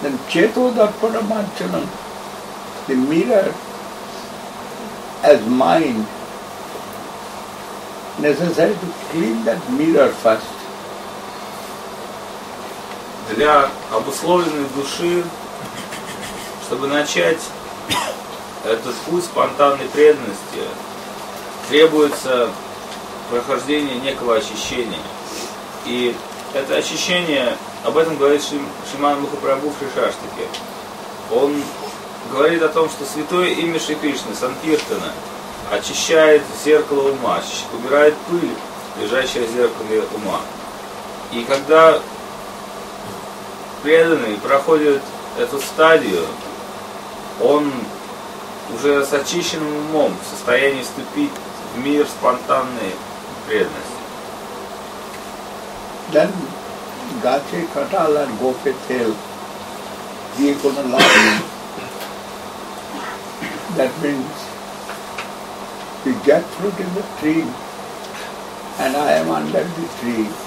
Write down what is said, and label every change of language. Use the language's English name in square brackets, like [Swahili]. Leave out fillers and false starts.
[English] Then Chetodarpanam Archanam, the mirror as mind, necessary to clean that mirror first. [Russian] Для обусловленной души, чтобы начать этот путь спонтанной преданности, требуется прохождение некого очищения. И это очищение, об этом говорит Шримана Махапрабху в Шришаштике. Он говорит о том, что святое имя Шри Кришны, Санкиртана, очищает зеркало ума, убирает пыль, лежащая в зеркале ума. И когда преданный проходит эту стадию, он уже с очищенным умом в состоянии вступить в мир спонтанной преданности. [English] Then Gache Katal and Gope Thel, Jekuna Lali, that means the jackfruit is a tree and I am under the tree.